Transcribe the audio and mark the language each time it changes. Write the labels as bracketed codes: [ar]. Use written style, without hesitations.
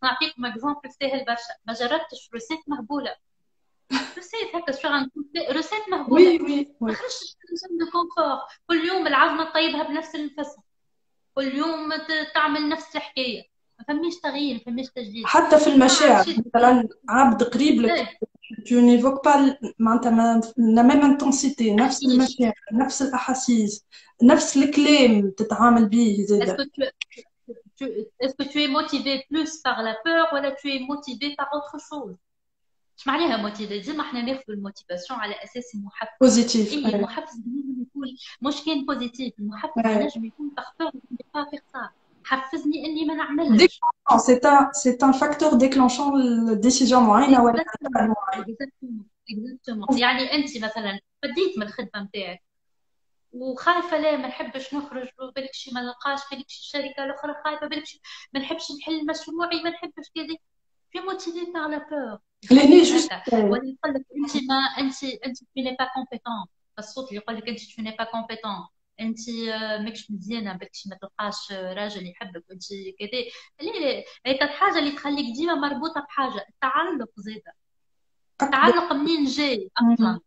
[ar] نعطيكم اكزومبل سهل برشا، ما جربتش روسيت مهبولة، روسيت هكا شغل روسيت مهبولة، ما خرجتش من زون دو كونفور، كل يوم العظمة تطيبها بنفس الفصل، كل يوم تعمل نفس الحكاية، ما فماش تغيير، ما فماش تجديد، حتى في المشاعر مثلا ازاي؟ عبد قريب لك [fr] tu n'évoques pas [ar] معناتها [fr] la même intensité، نفس [ar] احكيليش المشاعر، نفس الأحاسيس، نفس الكلام تتعامل بيه زادا. [fr] est-ce que tu es motivé plus par la peur ولا tu es motivé par autre chose؟ [ar] اش معناها [fr] motivé؟ [ar] زي ما احنا ناخذ الموتيفاسيون على اساس المحفز، بوزيتيف اي محفز لازم يكون مش كان بوزيتيف، المحفز ينجم يكون باغ بور في قطاع حفزني اني ما نعملش. [fr] C'est un facteur déclenchant la décision [ar] معينة ولا [fr] Exactement, [ar] معينة. [fr] exactement, exactement. [ar] يعني انت مثلا فديت من الخدمه نتاعك وخايفه، لا ما نحبش نخرج، وبالك شي ما نلقاش، بالك شي الشركه الاخرى خايفه، بالك شي ما نحبش نحل مشروعي، ما نحبش كذا، [fr] في موتيفي بار لا بور [ar] لأني يخليك جوست هكا، ولا يقول لك انت ما انت انت [fr] تو ني با كومبيتون، [ar] الصوت اللي يقول لك انت تو ني با كومبيتون، انت ماكش مزيانه، بالك شي ما تلقاش راجل يحبك، انت كذا، هي الحاجه اللي تخليك ديما مربوطه بحاجه، التعلق زاده، تعلق منين جاي اصلا؟